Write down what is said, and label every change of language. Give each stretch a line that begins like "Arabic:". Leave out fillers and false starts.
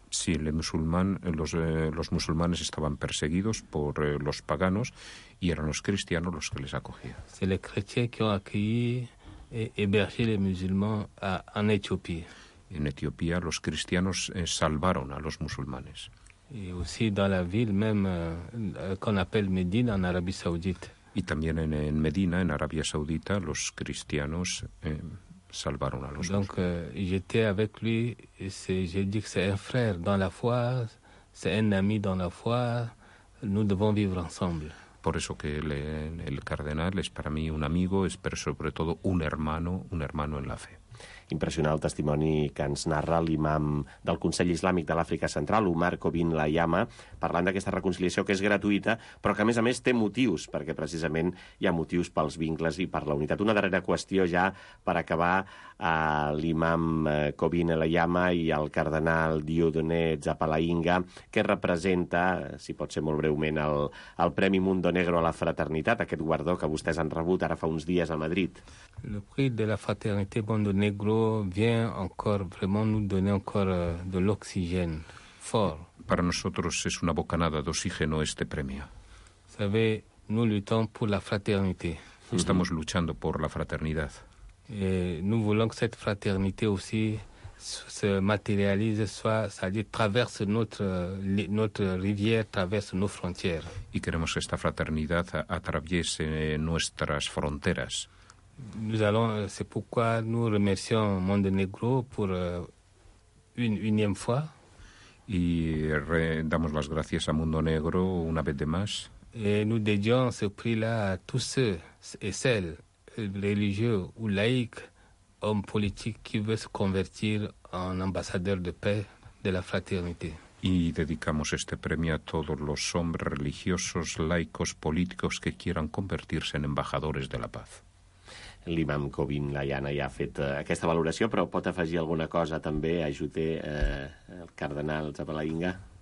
Spanish: Sí, los musulmanes estaban perseguidos por los paganos y eran los cristianos los que les acogían.
French: C'est les chrétiens qui ont accueilli et hébergé les musulmans en Éthiopie.
Spanish: En Etiopía, los cristianos salvaron a los musulmanes.
French: Y aussi dans la ville même qu'on appelle Médine en Arabie Saoudite.
Spanish: Y también en Medina, en Arabia Saudita, los cristianos salvaron a los musulmanes.
French: Donc j'étais avec lui, j'ai dit que c'est un frère dans la foi, c'est un ami dans la foi, nous devons vivre ensemble.
Spanish: Por eso que el cardenal es para mí un amigo, es pero sobre todo un hermano en la fe.
Catalan: Impressionant el testimoni que ens narra l'imam del Consell Islàmic de l'Àfrica Central, Omar Kobin Layama, parlant d'aquesta reconciliació que és gratuïta, però que a més té motius, perquè precisament hi ha motius pels vincles i per la unitat. Una darrera qüestió ja per acabar, l'imam Kobin Layama i el cardenal Diodonné Zapalainga, què representa, si pot ser molt breument, el Premi Mundo Negro a la Fraternitat, aquest guardó que vostès han rebut ara fa uns dies a Madrid?
French: Le prix de la fraternité Mundo Negro vient encore vraiment nous donner encore de l'oxygène fort.
Spanish: Para nosotros es una bocanada de oxígeno este premio.
French: Sabes, nous luttons pour la fraternité.
Spanish: Estamos luchando por la fraternidad.
French: Et nous voulons que cette fraternité aussi se matérialise, c'est-à-dire traverse notre rivière, traverse nos frontières.
Spanish: Y queremos que esta fraternidad atraviese nuestras fronteras.
French: C'est pourquoi nous remercions Mundo Negro pour une unième fois.
Spanish: Y damos las gracias a Mundo Negro una vez de más.
French: Et nous dédions ce prix-là à tous ceux et celles, religieux ou laïcs, hommes politiques qui veulent se convertir en ambassadeur de paix de la fraternité.
Spanish: Y dedicamos este premio a todos los hombres religiosos, laicos, políticos que quieran convertirse en embajadores de la paz.
Catalan: L'imam Kobin Layama ja ha fet aquesta valoració, però pot afegir alguna cosa també, ajuter el cardenal Zapalainga.